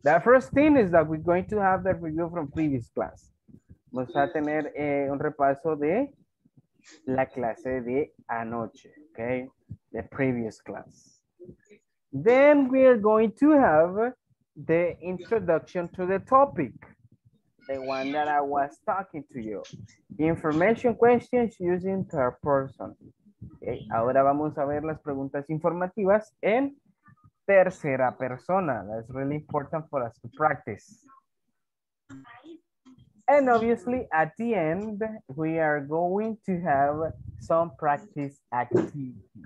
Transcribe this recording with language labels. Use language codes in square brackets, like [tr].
[en] The first thing is that we're going to have the review from previous class. [es] Vamos a tener un repaso de la clase de anoche. [en] Okay. The previous class. Then we are going to have the introduction to the topic. The one that I was talking to you. Information questions using per person. Okay. [es] Ahora vamos a ver las preguntas informativas en tercera persona. [en] That's really important for us to practice. And obviously at the end, we are going to have some practice activities.